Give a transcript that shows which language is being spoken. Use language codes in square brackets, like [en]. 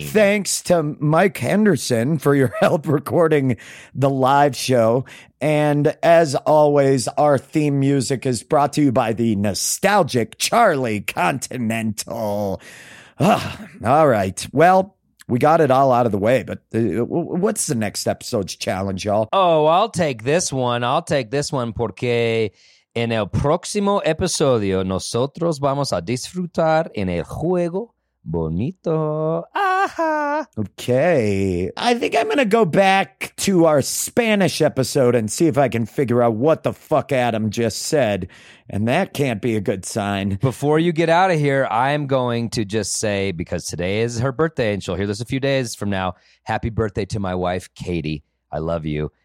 [en] Big thanks to Mike Henderson for your help recording the live show. And as always, our theme music is brought to you by the nostalgic Charlie Continental. All right. Well, we got it all out of the way, but what's the next episode's challenge, y'all? Oh, I'll take this one. I'll take this one [es] porque en el próximo episodio nosotros vamos a disfrutar en el juego bonito. [en] Aha. Okay. I think I'm going to go back to our Spanish episode and see if I can figure out what the fuck Adam just said. And that can't be a good sign. Before you get out of here, I'm going to just say, because today is her birthday and she'll hear this a few days from now, happy birthday to my wife, Katie. I love you.